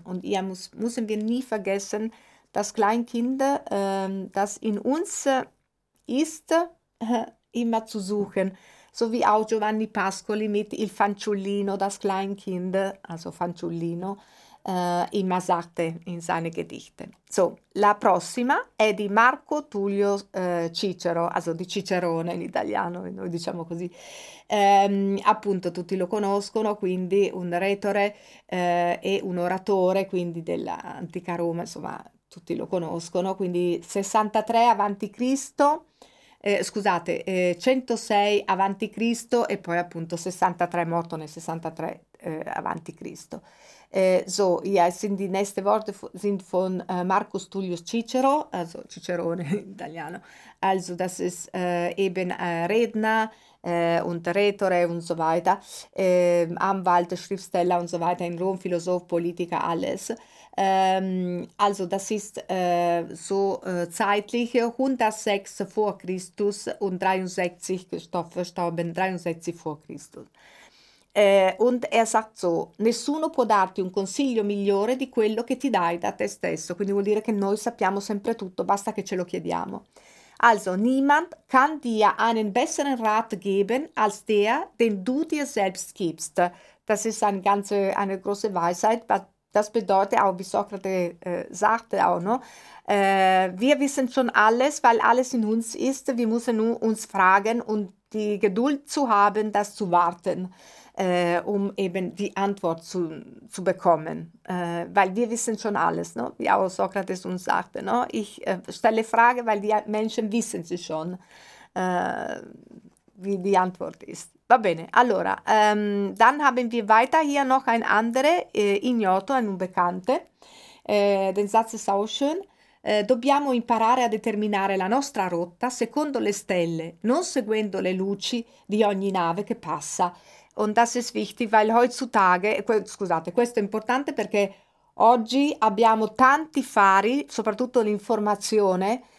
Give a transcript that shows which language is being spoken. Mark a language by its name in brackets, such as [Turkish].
[German] Und hier müssen wir nie vergessen, dass Kleinkinder, das in uns ist, immer zu suchen. So wie auch Giovanni Pascoli mit Il Fanciullino, das Kleinkind, also Fanciullino, immer sagte in seine Gedichte. [Italian] So, la prossima è di Marco Tullio Cicero, also di Cicerone in italiano, noi diciamo così. Appunto tutti lo conoscono, quindi un retore e un oratore, quindi dell'antica Roma, insomma tutti lo conoscono, quindi 63 avanti Cristo, 106 avanti Cristo e poi appunto 63 morto nel 63 avanti Cristo. [German] So, ja, sind die nächste Worte sind von Marcus Tullius Cicero, also [Italian] Cicerone in italiano, [German] also das ist eben Redner und Rhetore und so weiter, Anwalt, Schriftsteller und so weiter in Rom, Philosoph, Politiker, alles. Also das ist so zeitlich 106 vor Christus und 63 verstorben, 63 vor Christus. Und er sagt so, [Italian] nessuno può darti un consiglio migliore di quello che ti dai da te stesso. Quindi vuol dire che noi sappiamo sempre tutto, basta che ce lo chiediamo. [German] Also, niemand kann dir einen besseren Rat geben als der, den du dir selbst gibst. Das ist eine große Weisheit, das bedeutet auch, wie Sokrate sagte auch, no? Wir wissen schon alles, weil alles in uns ist, wir müssen nur uns fragen und die Geduld zu haben, das zu warten. Um eben die Antwort zu bekommen, weil wir wissen schon alles, no? Wie auch Sokrates uns sagte, no? Ich stelle Frage, weil die Menschen wissen sie schon, wie die Antwort ist. [Italian] Va bene, allora, [German] dann haben wir weiter hier noch ein andere ignoto, ein unbekannte, den Satz ist auch schön. [Italian] Dobbiamo imparare a determinare la nostra rotta secondo le stelle, non seguendo le luci di ogni nave che passa. [German] Und das ist wichtig, weil heutzutage, [Italian] scusate, questo è importante perché oggi abbiamo tanti fari, soprattutto l'informazione,